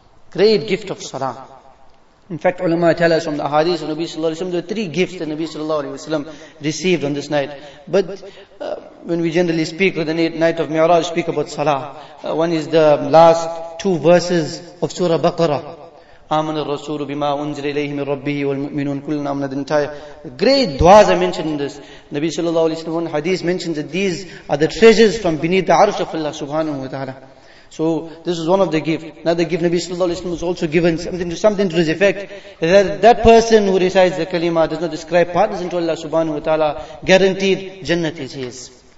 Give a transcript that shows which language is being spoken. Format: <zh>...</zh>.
<en>Great gift of salah. In fact, ulama tell us from the ahadith of Nabi sallallahu alayhi wa sallam, there were three gifts that Nabi sallallahu alayhi wa sallam received on this night. But when we generally speak with the night of Mi'raj, speak about salah. One is the last two verses of Surah Baqarah.</en> <ar>آمن الرسول بما أنزل إليه من ربه والمؤمنون كلنا آمنا.</ar> <en>The entire great du'as are mentioned in this. Nabi sallallahu alayhi wa sallam, one hadith mentions that these are the treasures from beneath the arsh of Allah subhanahu wa ta'ala. So this is one of the gift. Another gift, Nabi Sallallahu Alaihi Wasallam was also given something to this effect, that that person who recites the kalima, does not describe partners into Allah Subhanahu Wa Taala, guaranteed Jannat is his.</en>